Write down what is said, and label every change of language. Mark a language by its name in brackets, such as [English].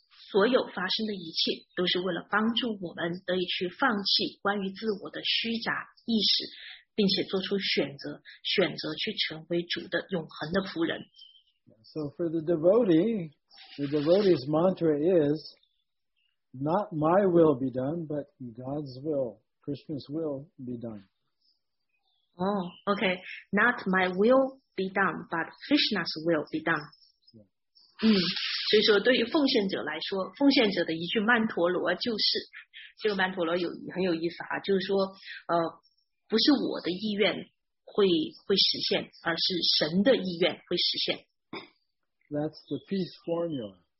[Chinese] 所有发生的一切都是为了帮助我们得以去放弃关于自我的虚假意识，并且做出选择去成为主的永恒的仆人。 [English] So for the devotee's mantra is not my will be done but God's will, Krishna's will be done. Oh, okay, not my will be done but Krishna's will be done. Yeah. [Chinese] 所以说对于奉献者来说，奉献者的一句曼陀罗就是，这个曼陀罗有很有意思啊，就是说不是我的意愿会实现，而是神的意愿会实现。 [English] That's the peace formula.